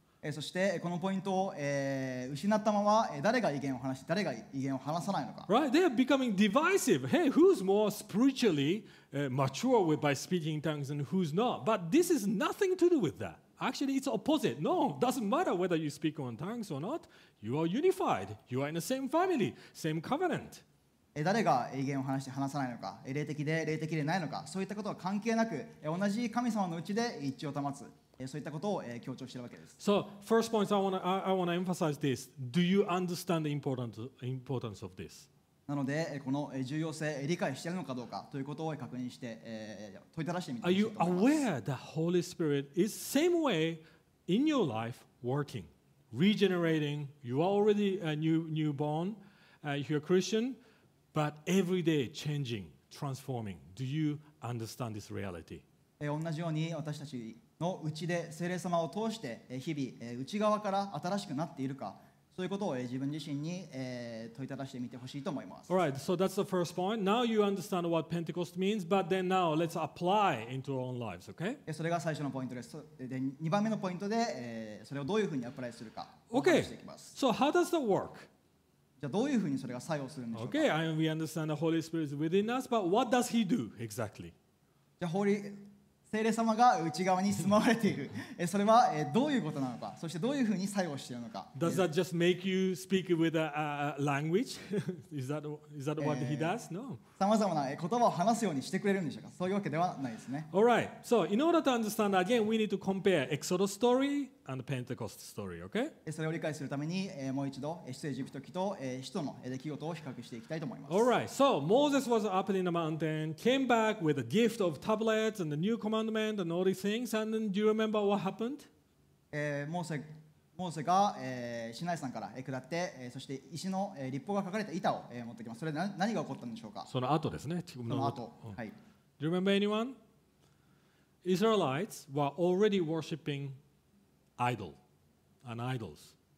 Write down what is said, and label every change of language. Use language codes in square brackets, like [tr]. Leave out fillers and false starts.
[ja] そして、このポイントを、失ったまま、誰が異言を話し、誰が異言を話さないのか。 [en] Right? They are becoming divisive. Hey, who's more spiritually mature by speaking in tongues and who's not? But this is nothing to do with that. Actually, it's opposite. No, doesn't matter whether you speak in tongues or not. You are unified. You are in the same family, same covenant. [ja] 誰が異言を話して話さないのか、霊的で霊的でないのか、そういったことは関係なく、同じ神様のうちで一致を保つ、そういったことを強調しているわけです。 [en] So, first point, I want to emphasize this. Do you understand the importance of this? [ja] なのでこの重要性理解しているのかどうかということを確認して問いただしてみてほしいと思います。 [en] Are you aware that Holy Spirit is same way in your life working, regenerating? You are already a newborn, if you're a Christian, but every day changing, transforming. Do you understand this reality? [ja] 同じように私たちの内で聖霊様を通して日々内側から新しくなっているか。そういうことを自分自身に問いただしてみてほしいと思います。 [en] Alright, so that's the first point. Now you understand what Pentecost means, but then now let's apply into our own lives, okay? [ja] それが最初のポイントです。で、2番目のポイントで、それをどういうふうにアプライするか、 [en] okay. [ja] していきます。 [en] So how does that work? [ja] じゃあどういうふうにそれが作用するんでしょうか [en] ？Okay, and we understand the Holy Spirit is within us, but what does He do exactly? [ja] じゃあ聖霊様が内側に住まわれている。それはどういうことなのか、そしてどういうふうに作用しているのか。 [en] Does that just make you speak with a language? Is that what he does? No. [ja] さまざまな言葉を話すようにしてくれるんでしょうか。そういうわけではないですね。 [en] All right. So in order to understand again, we need to compare Exodus story and Pentecost story. Okay? [ja] それを理解するためにもう一度出エジプト記と使徒の出来事を比較していきたいと思います。 [en] All right. So Moses was up in the mountain, came back with a gift of tablets and the newCommandment and all these things, and then do you remember what happened? [ja] モーセが、シナイ山から下って、そして石の、立法が書かれた板を、持ってきます。それで 何が起こったんでしょうか？その後ですね。その後、はい。 [en] Do you remember anyone? Israelites were already worshiping idol and idols.